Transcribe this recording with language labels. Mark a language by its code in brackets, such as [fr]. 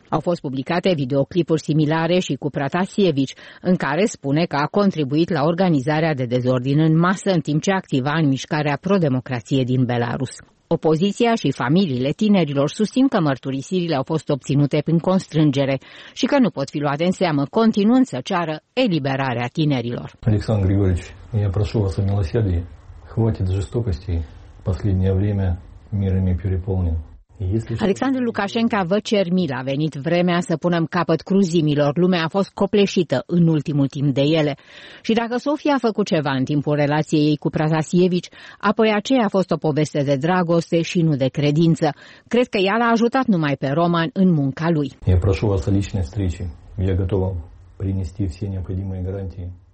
[ro] Au fost publicate videoclipuri similare și cu Pratasievici, în care spune că a contribuit la organizarea de dezordine în masă în timp ce activa în mișcarea pro-democrație din Belarus. Opoziția și familiile tinerilor susțin că mărturisirile au fost obținute prin constrângere și că nu pot fi luate în seamă, continuând să ceară eliberarea tinerilor. [ru] Alexandru Grigorici, я прошу вас о милосердии. Хватит жестокости. Последнее время мир ими переполнен. [ro] Alexandru Lukashenko, vă cer mila, a venit vremea să punem capăt cruzimilor, lumea a fost copleșită în ultimul timp de ele. Și dacă Sofia a făcut ceva în timpul relației ei cu Pratasievici, apoi aceea a fost o poveste de dragoste și nu de credință. Cred că ea l-a ajutat numai pe Roman în munca lui. [ru] Я прошу вас о личной встрече. Я готов принести все необходимые гарантии.